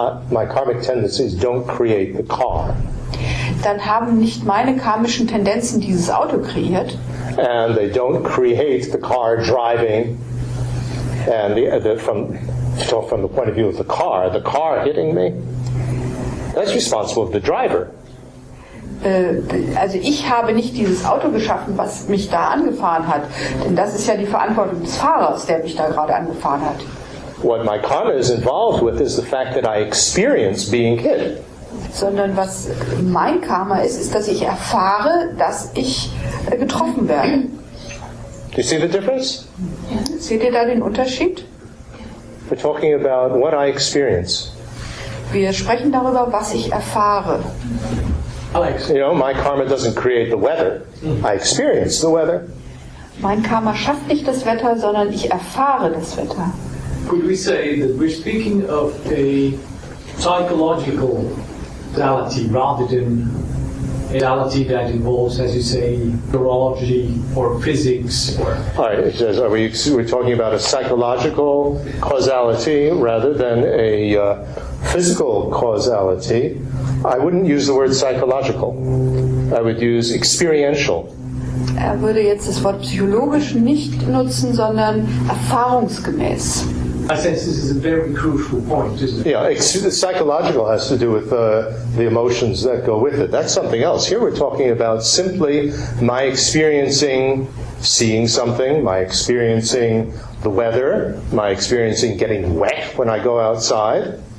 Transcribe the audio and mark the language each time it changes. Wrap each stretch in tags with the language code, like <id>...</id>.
<en>My karmic tendencies don't create the car.</en> <de>Dann haben nicht meine karmischen Tendenzen dieses Auto kreiert.</de> <en>And they don't create the car driving. And from the point of view of the car hitting me, that's responsible of the driver.</en> <de>Also ich habe nicht dieses Auto geschaffen, was mich da angefahren hat. Denn das ist ja die Verantwortung des Fahrers, der mich da gerade angefahren hat.</de> <en>What my karma is involved with is the fact that I experience being hit.</en> <de>Sondern was mein Karma ist, ist, dass ich erfahre, dass ich getroffen werde.</de> <en>Do you see the difference?</en> <de>Seht ihr da den Unterschied?</de> <en>We're talking about what I experience.</en> <de>Wir sprechen darüber, was ich erfahre.</de> <en>You know, my karma doesn't create the weather. I experience the weather.</en> <de>Mein Karma schafft nicht das Wetter, sondern ich erfahre das Wetter.</de> <en>Could we say that we're speaking of a psychological reality rather than reality that involves, as you say, neurology or physics. Are we talking about a psychological causality rather than a physical causality? I wouldn't use the word psychological. I would use experiential.</en> <de>Er würde jetzt das Wort psychologisch nicht nutzen, sondern erfahrungsgemäß.</de> <en>I sense this is a very crucial point, isn't it? Yeah, the psychological has to do with the emotions that go with it. That's something else. Here we're talking about simply my experiencing seeing something, my experiencing the weather, my experiencing getting wet when I go outside.</en>